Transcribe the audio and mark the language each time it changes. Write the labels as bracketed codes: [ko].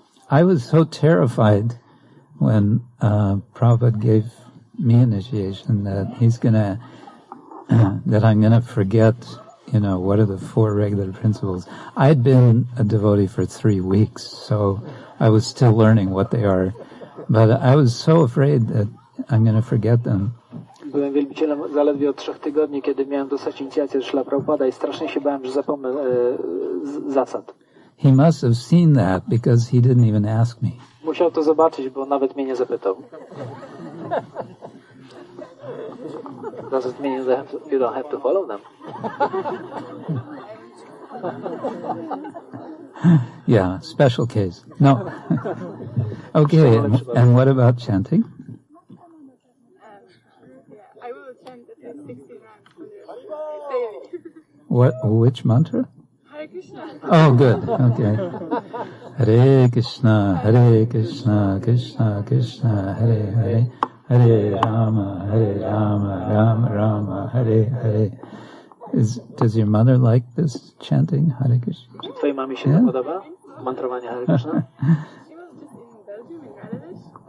[en] I was so terrified when Prabhupada gave me initiation that he's gonna that I'm gonna forget. You know, what are the four regular principles? I'd been a devotee for 3 weeks, so I was still learning what they are. But I was so afraid that I'm going to forget them. [pl] Byłem wielbicielem zaledwie od 3 tygodni, kiedy miałem dostać inicjację Śrila Prabhupada i strasznie się bałem, że zapomnę zasad. [en] He must have seen that because he didn't even ask me. [pl] Musiał to zobaczyć, bo nawet mnie nie zapytał. [en] Does it mean that you don't have to follow them? Yeah, special case. No. Okay, and what about chanting? I will chant at least 60 rounds daily. What? Which mantra? Hare Krishna. Oh, good. Okay. Hare Krishna, Hare Krishna, Krishna Krishna, Hare Hare. Hare Rama, Hare Rama, Rama Rama, Hare Hare. Does your mother like this chanting, Hare Krishna? [pl] Twojej mamie się podoba mantrowanie Hare Krishna? [en] She was just in Belgium in Radovich.